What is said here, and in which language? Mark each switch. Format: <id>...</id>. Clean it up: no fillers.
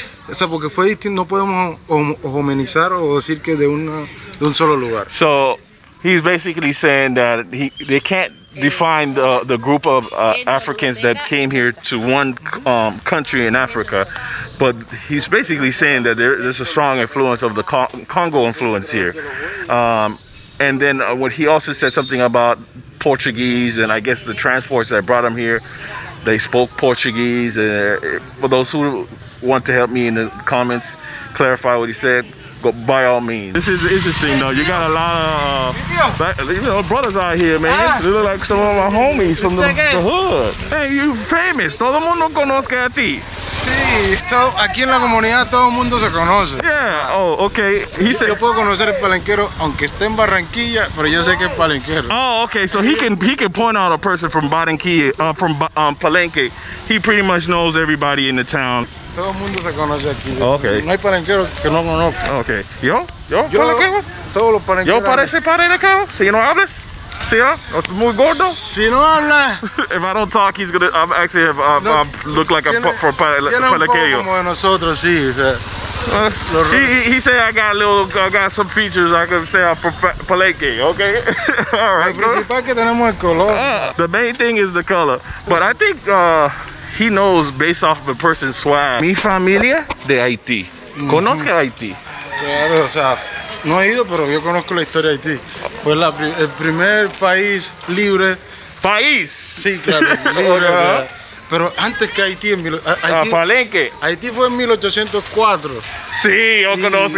<es>O sea, porque fue distinto, no podemos homenizar o decir que de un solo lugar.</es> <en>So, he's basically saying that they can't define the group of Africans that came here to one country in Africa, but he's basically saying that there's a strong influence of the Congo influence here. And then what he also said something about Portuguese and I guess the transports that brought them here, they spoke Portuguese. For those who want to help me in the comments, clarify what he said, go by all means. This is interesting though. You got a lot of brothers out here, man. They look like some of my homies from the hood. Hey, you famous.</en> <es>Todo el mundo conoce a ti. Sí, aquí en la comunidad todo el mundo se conoce.</es> <en>Yeah, oh, okay. He said,</en> <es>yo puedo conocer el palenquero aunque esté en Barranquilla, pero yo sé que es palenquero.</es> <en>Oh, okay, so he can point out a person from Barranquilla, from Palenque. He pretty much knows everybody in the town.</en> <es>Todo el mundo se conoce aquí.</es> <en>Okay.</en> <es>No hay palenquero que no conozca. Okay. ¿Yo? ¿Palenquero? Todos los palenqueros. ¿Yo parece palenquero? ¿Si no hablas? ¿Sí, muy gordo? Si no habla.</es> <en>If I don't talk, he's gonna. I'm actually. I look like</en> <es>Palenqueño. Como de nosotros, sí. O sea,</es> <en>he said I got some features. I could say I'm from Palenque. Okay. All right, bro.</en> <es>Que tenemos el color.</es> <en>The main thing is the color. But I think he knows based off the person's swag.</en> <es>Mi familia de Haití. Conozco Haití. Claro, o sea. No he ido, pero yo conozco la historia de Haití. Fue el primer país libre. ¿País? Sí, claro, libre. Pero antes que Haití... ¿Palenque? Haití fue en 1804. Sí, yo conozco.</es>